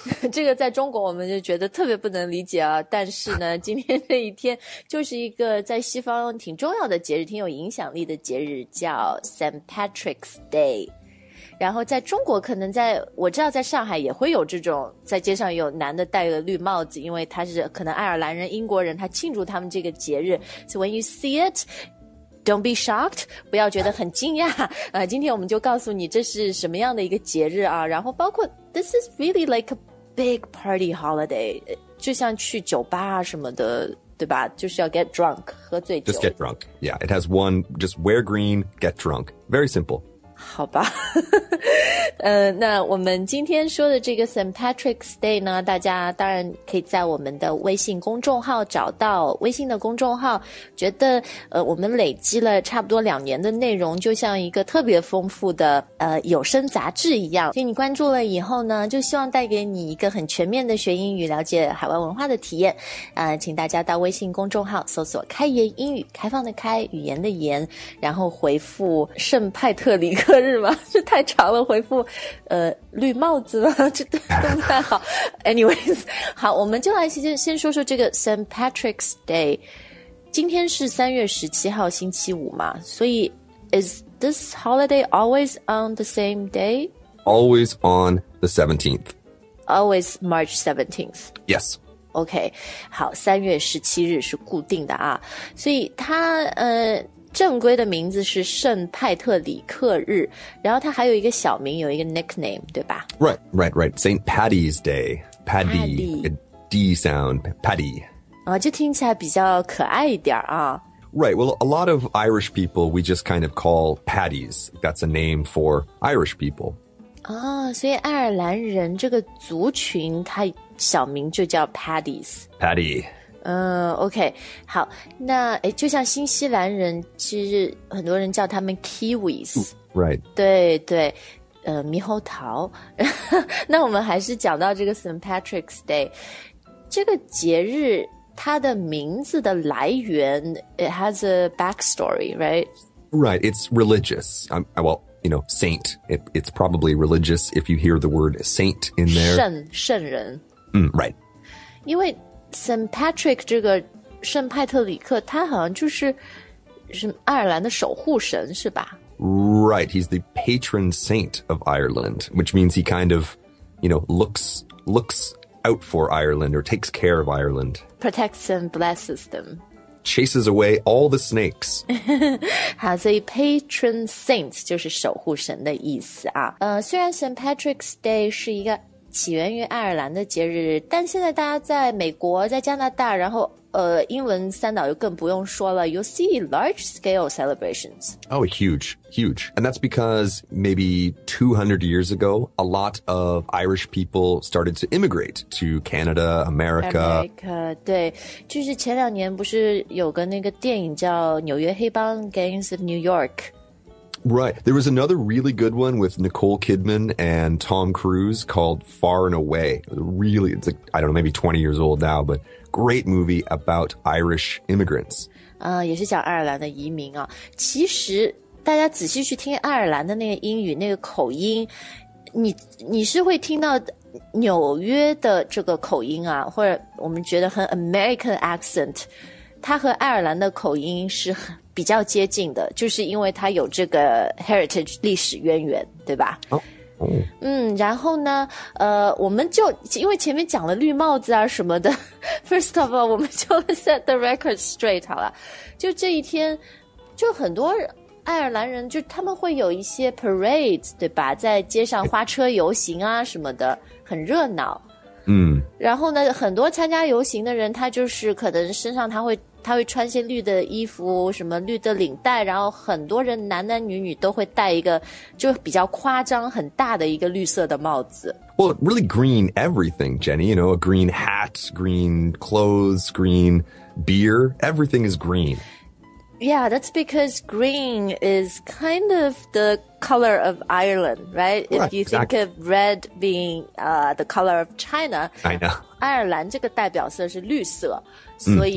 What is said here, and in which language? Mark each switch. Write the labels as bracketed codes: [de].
[zh] 这个在中国我们就觉得特别不能理解啊。但是呢，今天这一天就是一个在西方挺重要的节日，挺有影响力的节日，叫 St. Patrick's Day。然后在中国可能在我知道在上海也会有这种在街上有男的戴个绿帽子，因为他是可能爱尔兰人英国人，他庆祝他们这个节日。 [en] So when you see it, don't be shocked, [zh] 不要觉得很惊讶。今天我们就告诉你这是什么样的一个节日啊，然后包括 [en] This is really like a big party holiday, [zh] 就像去酒吧什么的，对吧，就是要 get drunk, 喝醉酒。 [en] Just get drunk, yeah, it has one, just wear green, get drunk, very simple. [zh] 好吧那我们今天说的这个 St. Patrick's Day 呢，大家当然可以在我们的微信公众号找到，微信的公众号觉得我们累积了差不多两年的内容，就像一个特别丰富的有声杂志一样，所以你关注了以后呢，就希望带给你一个很全面的学英语了解海外文化的体验。请大家到微信公众号搜索开言英语，开放的开，语言的言，然后回复圣派特里克日吗？这太长了，回复绿帽子了，这都不太好。 Anyways, 好，我们就来先说说这个 St. Patrick's Day。今天是3月17号星期五嘛，所以 [en] is this holiday always on the same day? Always on the 17th. Always March 17th. Yes. [zh] OK, 好，3月17日是固定的啊，所以它正规的名字是圣派特里克日，然后它还有一个小名，有一个 nickname, 对吧？ [en] Right, right, right, St. Paddy's Day, Paddy, a D sound, Paddy. [zh] 就听起来比较可爱一点啊。 [en] Right, well, a lot of Irish people, we just kind of call Paddies, that's a name for Irish people. [zh] 所以爱尔兰人这个族群他小名就叫 Paddies。 Paddy。 OK, 好，那就像新西兰人其实很多人叫他们 Kiwis。 [en] Right. [zh] 对对，猕猴桃。那我们还是讲到这个 St. Patrick's Day。 这个节日它的名字的来源 , [en] it has a backstory, right? Right, it's religious. You know, saint. It's probably religious if you hear the word saint in there. [zh] 圣人。 [en] Right. [zh] 因为 St. Patrick 这个圣派特里克他好像就是爱尔兰的守护神是吧？ [en] Right. He's the patron saint of Ireland, which means he kind of, you know, looks out for Ireland or takes care of Ireland. Protects and blesses them. Chases away all the snakes. Has a patron saint, [zh] 就是守护神的意思啊。虽然 St. Patrick's Day 是一个起源于爱尔兰的节日，但现在大家在美国，在加拿大，然后英文三岛就更不用说了。 [en] You'll see large scale celebrations. Oh, huge, huge. And that's because maybe 200 years ago, a lot of Irish people started to immigrate to Canada, America. [zh] America, 对，就是前两年不是有个那个电影叫《纽约黑帮 Gangs of New York》。 [en] Right. There was another really good one with Nicole Kidman and Tom Cruise called Far and Away. Really, it's like, I don't know, maybe 20 years old now, but great movie about Irish immigrants. [zh] 也是讲爱尔兰的移民啊。其实大家仔细去听爱尔兰的那个英语，那个口音，你是会听到纽约的这个口音啊，或者我们觉得很 American accent, 它和爱尔兰的口音是很比较接近的，就是因为它有这个 heritage 历史渊源，对吧？然后呢，我们就因为前面讲了绿帽子啊什么的 ， [en] first of all， [zh] 我们就 [en] set the record straight [zh] 好了。就这一天，就很多爱尔兰人，就他们会有一些 parades， 对吧？在街上花车游行啊什么的，很热闹。然后呢，很多参加游行的人，他就是可能身上他会穿些绿的衣服，什么绿的领带，然后很多人男男女女都会戴一个就比较夸张很大的一个绿色的帽子。 [en] Well, really green everything, Jenny, you know, a green hat, green clothes, green beer, everything is green. Yeah, that's because green is kind of the color of Ireland, right? Right, if you think of red being the color of China, Ireland [zh] 这个代表色是绿色，所以、